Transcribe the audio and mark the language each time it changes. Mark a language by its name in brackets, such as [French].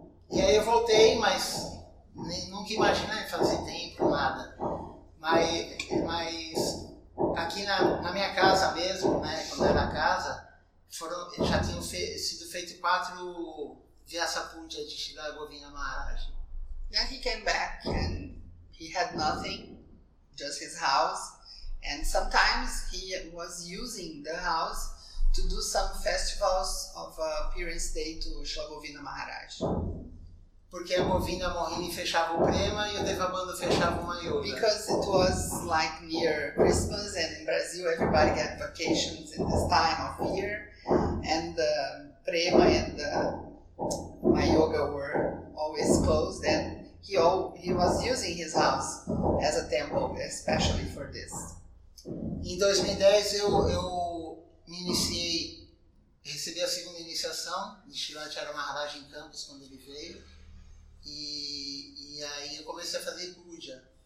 [Portuguese] E aí eu voltei, mas nunca imaginei fazer tempo, nada. Mas aqui na minha casa mesmo, né, quando era casa, já tinham sido feitos 4 Vyasapuja de Shila Govinda Maharaj. [English] Then he came back and he had nothing, just his house, and sometimes he was using the house to do some festivals of appearance day to Shila Govinda Maharaj. [Portuguese] Porque a Govinda Mohini fechava o prema e o Devabanda fechava uma yoga. [English] Because it was like near Christmas, and in Brazil everybody get vacations in this time of year, and the prema and the yoga were always closed, and he was using his house as a temple, especially for this. [Portuguese] Em 2010, eu me iniciei, recebi a segunda iniciação de Shila Acharya Maharaj em Campos, quando ele veio, e aí eu comecei a fazer puja.